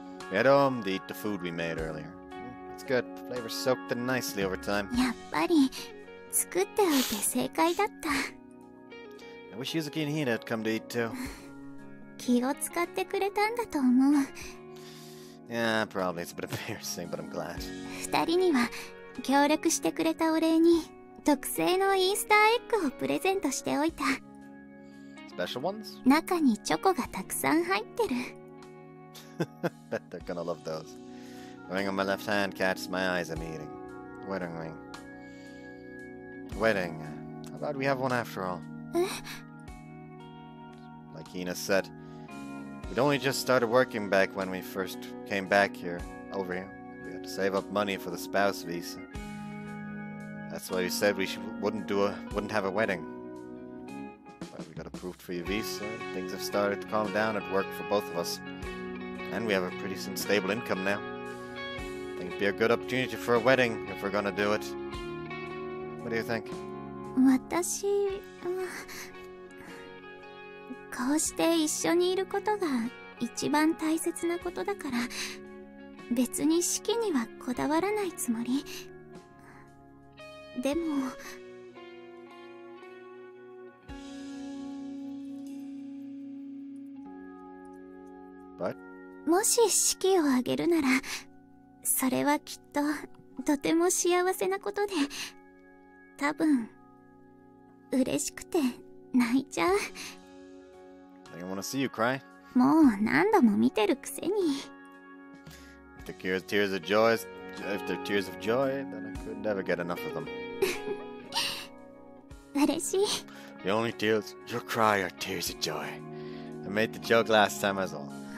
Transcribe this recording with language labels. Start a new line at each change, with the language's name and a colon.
English: We had home to eat the food we made earlier. It's good. The flavor soaked in nicely over time.
Japanese: やっぱり作っておいて正解だった。
English: I wish Yuzuki and Hina had come to eat too.
Japanese: 気を使ってくれたんだと思う。
English: Yeah, probably. It's a bit embarrassing, but I'm glad.
Japanese: 二人には協力してくれたお礼に特製のイースターエッグをプレゼントしておいた。
English: Special ones?
Japanese: 中にチョコがたくさん入ってる。
English: Bet they're gonna love those. Ring on my left hand catches my eyes. I'm eating. Wedding ring. Wedding. How about we have one after all? Like Hina said, we'd only just started working back when we first came back here, over here. We had to save up money for the spouse visa. That's why we said we wouldn't have a wedding. Well, we got approved for your visa. Things have started to calm down at work for both of us. And we have a pretty stable income now. I think it'd be a good opportunity for a wedding if we're gonna do it. What do you think?
Japanese: 私はこうして一緒にいることが一番大切なことだから、別に式にはこだわらないつもり。でも、
English: But?
Japanese: もし式を挙げるなら、それはきっととても幸せなことで、多分嬉しくて泣いちゃう。
English: I don't want to see you cry.
Japanese: もう何度も見てるくせに。
English: If they're tears of joy, if they're tears of joy, then I could never get enough of them.
Japanese: 嬉しい。
English: The only tears you'll cry are tears of joy. I made the joke last time as well.